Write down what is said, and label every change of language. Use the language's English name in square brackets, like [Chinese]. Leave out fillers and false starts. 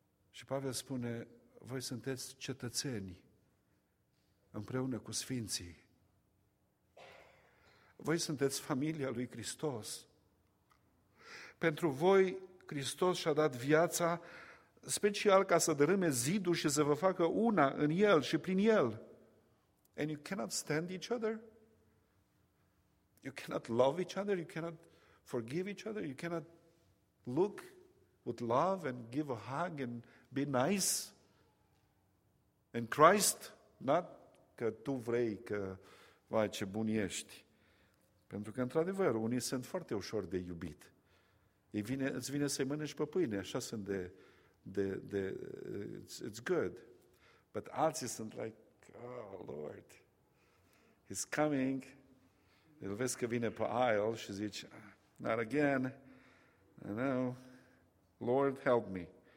[Romanian] Și Pavel spune, voi sunteți cetățeni împreună cu sfinții. Voi sunteți familia lui Hristos. Pentru voi Hristos și-a dat viața special ca să dărâme zidul și să vă facă una în El și prin El. [English] And you cannot stand each other? You cannot love each other, you cannot forgive each other, you cannot look with love and give a hug and be nice in Christ, not [Romanian] că tu vrei că, vai, ce bun ești. Pentru că, într-adevăr, unii sunt foarte ușor de iubit. Îți vine să-i mănânci pe pâine, așa sunt de it's good. [English] But [Romanian] alții sunt [English] like, oh, Lord, He's coming. [Romanian] Îl vezi că vine pe aisle și zici, [English] not again, no, Lord help me.